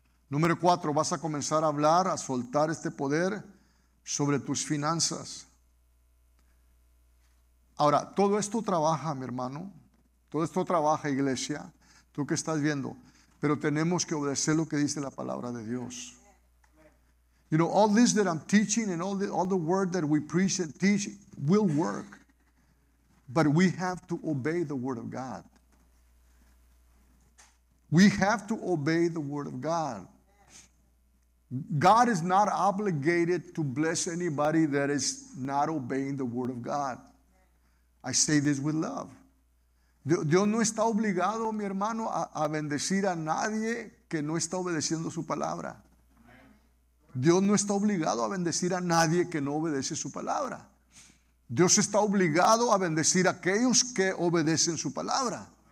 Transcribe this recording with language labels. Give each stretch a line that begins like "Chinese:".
Spanish: Número 4, vas a comenzar a hablar, a soltar este poder sobre tus finanzas. Ahora, todo esto trabaja, mi hermano. Todo esto trabaja, iglesia. Tú que estás viendo. Pero tenemos que obedecer lo que dice la palabra de Dios.
English: You know, all this that I'm teaching and all the word that we preach and teach will work. But we have to obey the word of God. We have to obey the word of God. God is not obligated to bless anybody that is not obeying the word of God. I say this with love.
Spanish: Dios no está obligado, mi hermano, a bendecir a nadie que no está obedeciendo su palabra. Dios no está obligado a bendecir a nadie que no obedece su palabra. Dios está obligado a bendecir a aquellos que obedecen su palabra.